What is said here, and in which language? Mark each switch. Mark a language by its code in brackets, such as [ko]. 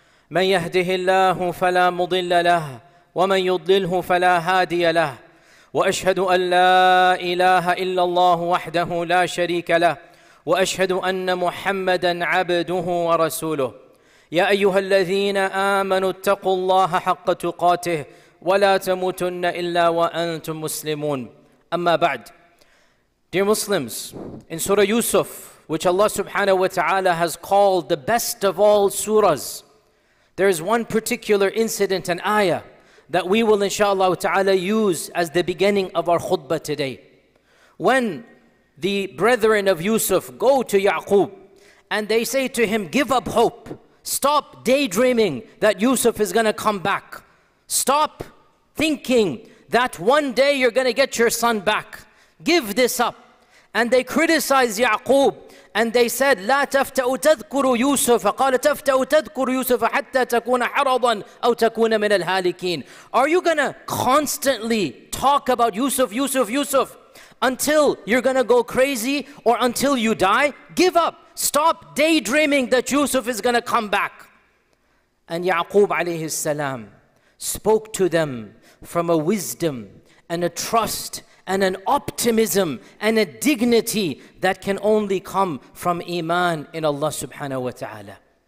[ar] من يهده الله فلا مضل له ومن يضلله فلا هادي له وأشهد أن لا إله إلا الله وحده لا شريك له وأشهد أن محمدًا عبده ورسوله يا أيها الذين آمنوا اتقوا الله حق تقاته ولا تموتن إلا وأنتم مسلمون أما بعد. [en] Dear Muslims, in Surah Yusuf, which Allah subhanahu wa ta'ala has called the best of all surahs, there is one particular incident and ayah that we will inshallah ta'ala use as the beginning of our khutbah today. When the brethren of Yusuf go to Ya'qub and they say to him, give up hope, stop daydreaming that Yusuf is going to come back, stop thinking that one day you're going to get your son back, give this up. And they criticize Ya'qub and they said, [ar] لا تفتأ تذكر يوسف قال تفتأ تذكر يوسف حتى تكون حرضا أو تكون من الهالكين. [en] Are you going to constantly talk about Yusuf, Yusuf, Yusuf until you're going to go crazy or until you die? Give up. Stop daydreaming that Yusuf is going to come back. And Ya'qub alayhi salam spoke to them from a wisdom and a trust and an optimism and a dignity that can only come from iman in Allah subhanahu wa ta'ala.